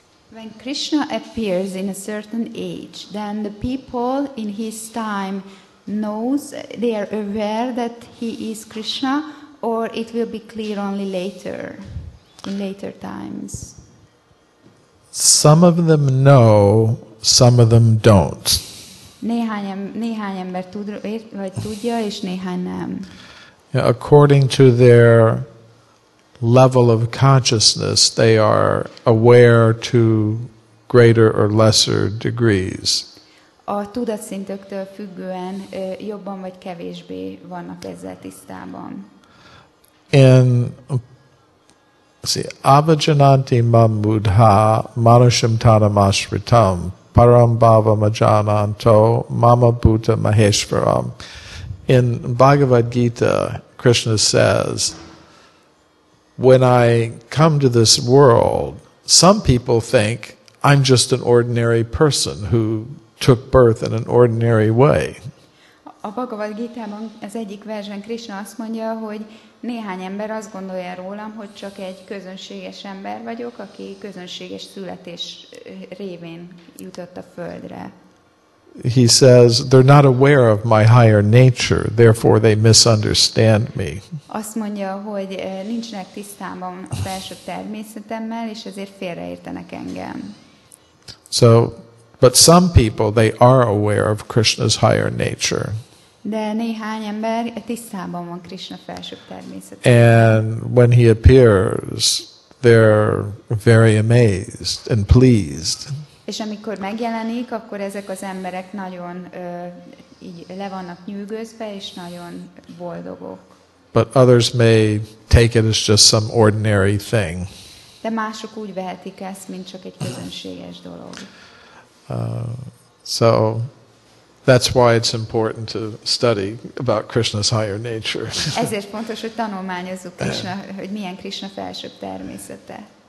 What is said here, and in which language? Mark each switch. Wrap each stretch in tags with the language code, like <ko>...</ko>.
<en>When Krishna appears in a certain age, then the people in his time knows, they are aware that he is Krishna, or it will be clear only later, in later times? Some of them know, some of them don't.</en> <hu>Néhány ember tudja, és néhány nem.</hu> <en>According to their level of consciousness, they are aware to greater or lesser degrees.</en> <hu>A tudatszintöktől függően jobban vagy kevésbé vannak ezzel tisztában.</hu> <sa>In avajananti mam buddha manushim tanamashritam param bhava majananto mama buddha maheshwaram.</sa> <en>In Bhagavad Gita, Krishna says, when I come to this world, some people think I'm just an ordinary person who took birth in an ordinary way.</en> <hu>A Bhagavad Gita-ban az egyik versben Krishna azt mondja, hogy néhány ember azt gondolja rólam, hogy csak egy közönséges ember vagyok, aki közönséges születés révén jutott a földre.</hu> <en>He says they're not aware of my higher nature, therefore they misunderstand me.</en> <hu>Azt mondja, hogy nincsenek tisztában a felső természetemmel, és ezért félreértenek engem.</hu> <en>So, but some people, they are aware of Krishna's higher nature.</en> <hu>De néhány ember tisztában van Krishna felső természetével.</hu> <en>And when he appears, they're very amazed and pleased.</en> <hu>És amikor megjelenik, akkor ezek az emberek nagyon így le vannak nyűgözve, és nagyon boldogok.</hu> <en>But others may take it as just some ordinary thing.</en> <hu>De mások úgy vehetik ezt, mint csak egy közönséges dolog.</hu> <en>So that's why it's important to study about Krishna's higher nature.</en> <hu>Ezért fontos, hogy tanulmányozzuk, hogy milyen Krishna felsőbb természete.</hu>